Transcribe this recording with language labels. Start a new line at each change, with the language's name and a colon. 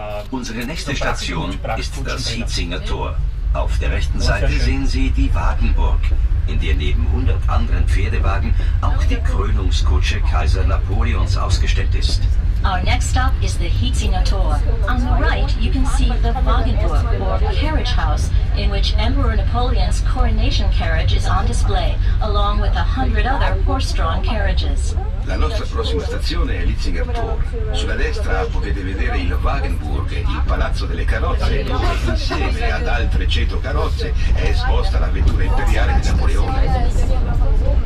German: Unsere nächste Station ist das Sitzinger Tor. Auf der rechten Seite sehen Sie die Wagenburg, in der neben 100 anderen Pferdewagen auch die Krönungskutsche Kaiser Napoleons ausgestellt ist.
English: Our next stop is the Hietzinger Tor. On the right, you can see the Wagenburg, or carriage house, in which Emperor Napoleon's coronation carriage is on display, along with 100 other horse-drawn carriages.
Italian: La nostra prossima stazione è Hietzinger Tor. Sulla destra potete vedere il Wagenburg, il palazzo delle carrozze, dove insieme ad altre 100 carrozze è esposta la vettura imperiale di Napoleone.